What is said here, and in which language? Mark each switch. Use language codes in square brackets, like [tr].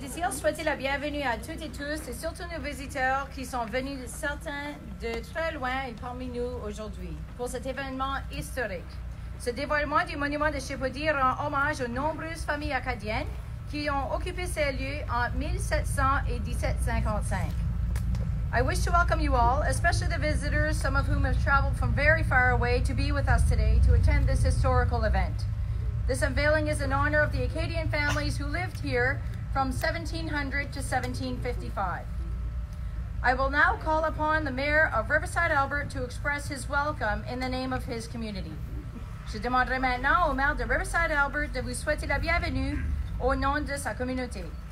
[fr] Souhaitez la bienvenue à toutes et tous, et surtout nos visiteurs qui sont venus certains de très loin et parmi nous aujourd'hui pour cet événement historique. Ce dévoilement du monument de Chipoudie rend hommage aux nombreuses familles acadiennes qui ont occupé ces lieux en 1700 et 1755. [en] I wish to welcome you all, especially the visitors, some of whom have traveled from very far away to be with us today to attend this historical event. This unveiling is in honor of the Acadian families who lived here from 1700 to 1755. I will now call upon the mayor of Riverside, Alberta to express his welcome in the name of his community. [fr] Je demanderai maintenant au maire de Riverside, Alberta de vous souhaiter la bienvenue au nom de sa communauté.